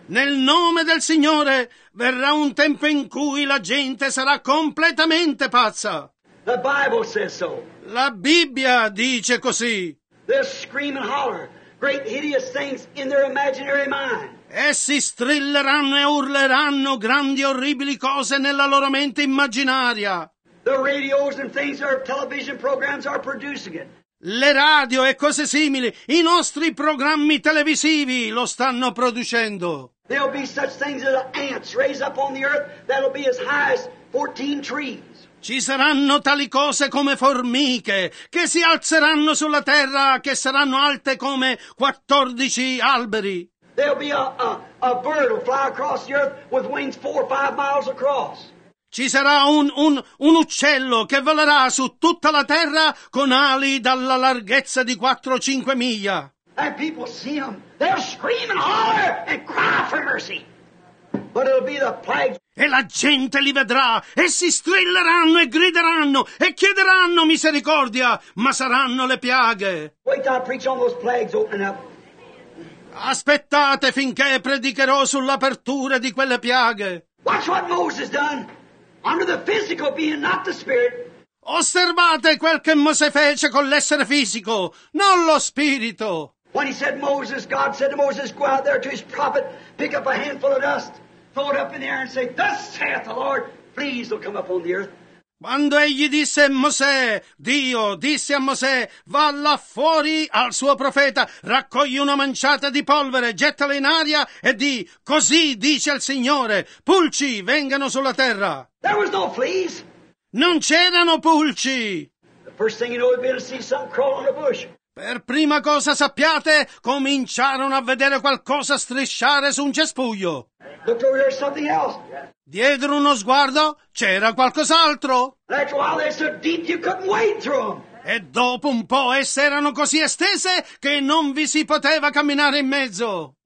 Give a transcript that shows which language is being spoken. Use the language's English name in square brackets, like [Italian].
[Italian] Nel nome del Signore verrà un tempo in cui la gente sarà completamente pazza. [English] The Bible says so. [Italian] La Bibbia dice così. [English] They'll scream and holler great hideous things in their imaginary mind. [Italian] Essi strilleranno e urleranno grandi orribili cose nella loro mente immaginaria. [English] The radios and things, our television programs are producing it. [Italian] Le radio e cose simili, i nostri programmi televisivi lo stanno producendo. [English] There'll be such things as ants raised up on the earth that'll be as high as 14 trees. [Italian] Ci saranno tali cose come formiche che si alzeranno sulla terra che saranno alte come 14 alberi. [English] There'll be a bird will fly across the earth with wings 4 or 5 miles across. [Italian] Ci sarà un uccello che volerà su tutta la terra con ali dalla larghezza di 4 o 5 miglia. [English] And people see them. They'll scream and holler and cry for mercy. But it'll be the plague. [Italian] E la gente li vedrà e si strilleranno e grideranno e chiederanno misericordia, ma saranno le piaghe. [English] Wait till I preach on those plagues open up. [Italian] Aspettate finché predicherò sull'apertura di quelle piaghe. [English] Watch what Moses done. Under the physical being, not the spirit. [Italian] Osservate quel che Mosè fece con l'essere fisico, non lo spirito. [English] When he said Moses, God said to Moses, go out there to his prophet, pick up a handful of dust, throw it up in the air and say, thus saith the Lord, fleas will come up on the earth. [Italian] Quando egli disse a Mosè, Dio disse a Mosè, va là fuori al suo profeta, raccogli una manciata di polvere, gettala in aria e di, così dice il Signore, pulci vengano sulla terra. [English] There was no fleas. [Italian] Non c'erano pulci. [English] The first thing you know, you'd be able to see something crawl on a bush. [Italian] Per prima cosa sappiate, cominciarono a vedere qualcosa strisciare su un cespuglio. [English] Look over here, something else. [Italian] Diedero uno sguardo, c'era qualcos'altro. [English] That's why they're so deep you couldn't wade through them. [Italian] E dopo un po' esse erano così estese che non vi si poteva camminare in mezzo.